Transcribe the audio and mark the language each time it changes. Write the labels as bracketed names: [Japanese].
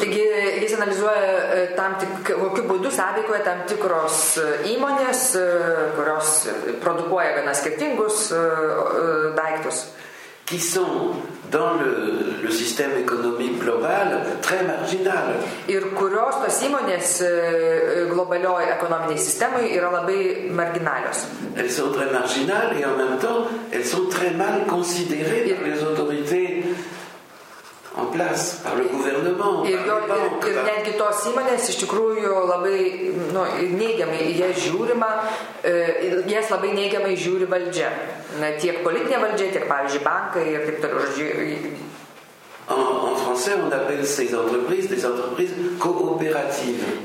[Lithuanian] Taigi, jis analizuoja kokiu būdu sąveikoje tam tikros įmonės, kurios produkuoja gana skirtingus daiktus. [French] Qui sont dans le système économique global très marginal. [Lithuanian] Ir kurios tos įmonės globalioje ekonominėje sistemoje yra labai marginalios. [French] Elles sont très marginales et en même temps, elles sont très mal considérées par les autorités en place par le gouvernement. [Lithuanian] Ir netgi tos įmonės iš tikrųjų labai neigiamai jas labai neigiamai žiūri valdžia. Tiek politinė valdžia, tiek pavyzdžiui bankai ir taip toliau. [French] En français, on appelle ces entreprises des entreprises coopératives.